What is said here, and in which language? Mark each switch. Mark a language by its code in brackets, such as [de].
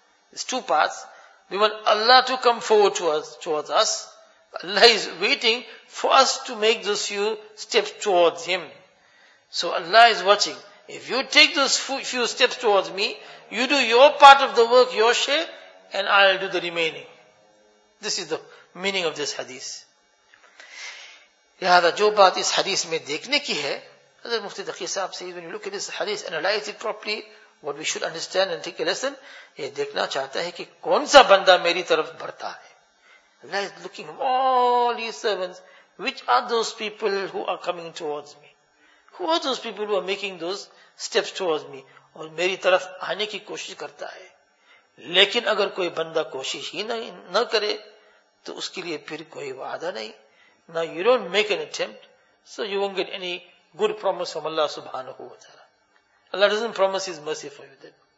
[en] There's two paths. We want Allah to come forward towards us. Allah is waiting for us to make those few steps towards Him. So Allah is watching. If you take those few steps towards me, you do your part of the work, your share, and I'll do the remaining. This is the meaning of this hadith. [ur] لہذا جو بات اس حدیث میں دیکھنے کی ہے, حضرت مفتی تقی صاحب سے, [en] when you look at this hadith, analyze it properly, what we should understand and take a lesson, [ur] یہ دیکھنا چاہتا ہے کہ کون سا بندہ میری طرف بڑھتا ہے. [en] Allah is looking from all his servants, which are those people who are coming towards me? Who are those people who are making those steps towards me? [ur] اور میری طرف آنے کی کوشش کرتا ہے. لیکن اگر کوئی بندہ کوشش ہی نہ کرے, تو اس کے لیے پھر کوئی وعدہ نہیں. [en] Now you don't make an attempt, so you won't get any good promise from Allah subhanahu wa ta'ala. Allah doesn't promise His mercy for you then.